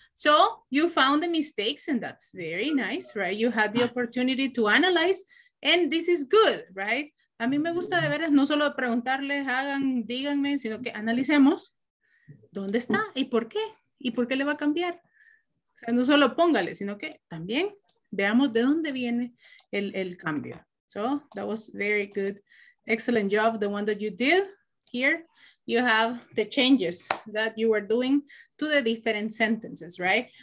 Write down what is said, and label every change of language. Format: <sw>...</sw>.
<en>So you found the mistakes and that's very nice, right? You had the opportunity to analyze and this is good, right?</en> <es>A mí me gusta de veras no solo preguntarles, hagan, díganme, sino que analicemos dónde está y por qué. Y por qué le va a cambiar. O sea, no solo póngale, sino que también veamos de dónde viene el cambio.</es> <en>So that was very good. Excellent job, the one that you did here. You have the changes that you were doing to the different sentences, right?</en>